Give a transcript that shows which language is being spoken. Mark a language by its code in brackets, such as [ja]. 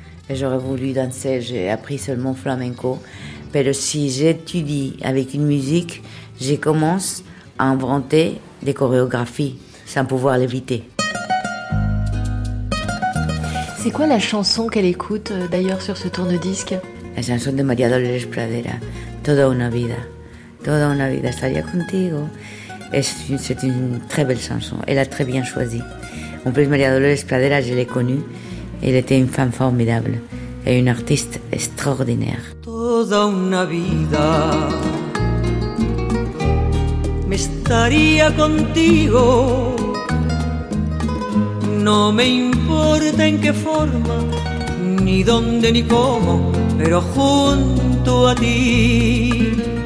[fr] Et j'aurais voulu danser, j'ai appris seulement flamenco. Mais si j'étudie avec une musique, je commence à inventer des chorégraphies sans pouvoir l'éviter. C'est quoi la chanson qu'elle écoute d'ailleurs sur ce tourne-disque? La chanson de Maria Dolores Pradera, Toda una vida. [es] Toda una vida estaría contigo. [fr] Et c'est une très belle chanson, elle a très bien choisi. En plus, Maria Dolores Pradera, je l'ai connue, elle était une femme formidable et une artiste extraordinaire. [es] Toda una vida me estaría contigo. No me importa en qué forma, ni dónde ni cómo, pero junto a ti.